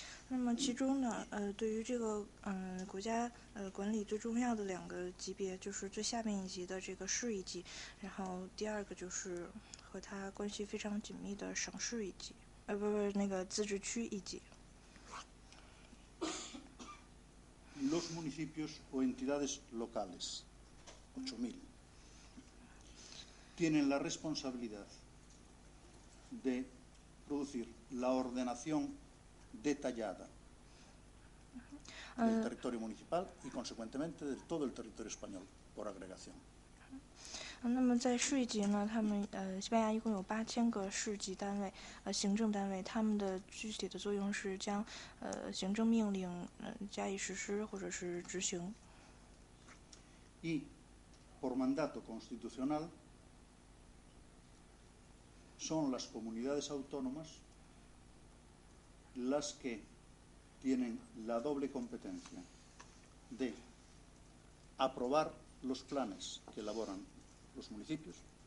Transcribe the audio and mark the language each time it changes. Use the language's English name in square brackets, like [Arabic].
[Chinese] 那么其中呢，对于这个国家管理最重要的两个级别，就是最下面一级的这个市一级，然后第二个就是和它关系非常紧密的省市一级。自治区一级。 [Spanish] Los municipios o entidades locales, 8000, tienen la responsabilidad de producir la ordenación detallada del territorio municipal y, consecuentemente, de todo el territorio español por agregación. [Chinese] 那么在市一级呢，他们西班牙一共有8000个市级单位，行政单位，他们的具体的作用是将行政命令加以实施或者是执行。 [Spanish] Y por mandato constitucional son las comunidades autónomas las que tienen la doble competencia de aprobar los planes que elaboranlos municipios